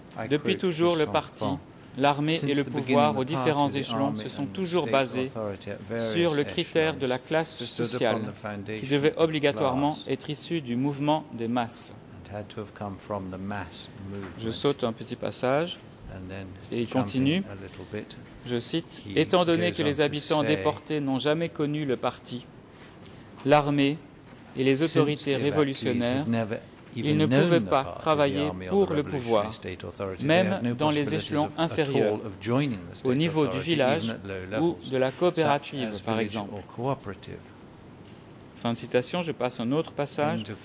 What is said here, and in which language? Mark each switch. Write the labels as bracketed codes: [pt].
[fr] Depuis toujours, le parti, l'armée et le pouvoir aux différents échelons se sont toujours basés sur le critère de la classe sociale qui devait obligatoirement être issue du mouvement des masses. [en] had to have come from the mass movement. [fr] Je saute un petit passage et il continue. Je cite, « Étant donné que les habitants déportés n'ont jamais connu le parti, l'armée et les autorités révolutionnaires, ils ne pouvaient pas travailler pour le pouvoir, même dans les échelons inférieurs, au niveau du village ou de la coopérative, par exemple. » Fin de citation, je passe un autre passage.